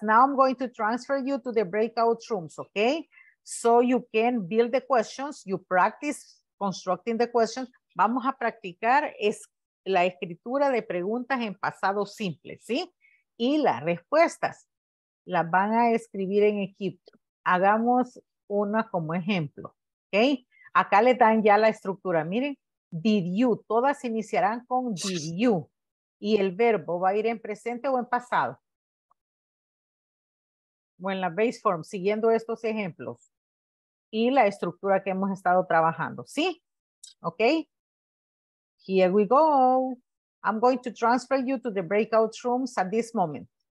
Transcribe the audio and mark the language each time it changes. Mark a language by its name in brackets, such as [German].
[English] Now I'm going to transfer you to the breakout rooms, okay? So you can build the questions. You practice constructing the questions. [Spanish] Vamos a practicar la escritura de preguntas en pasado simple, ¿sí? Y las respuestas las van a escribir en equipo. Hagamos una como ejemplo, ¿ok? Acá le dan ya la estructura. Miren, did you, todas iniciarán con did you. Y el verbo va a ir en presente o en pasado. O en la base form, siguiendo estos ejemplos. Y la estructura que hemos estado trabajando, ¿sí? [English] ¿Ok? Here we go. I'm going to transfer you to the breakout rooms at this moment.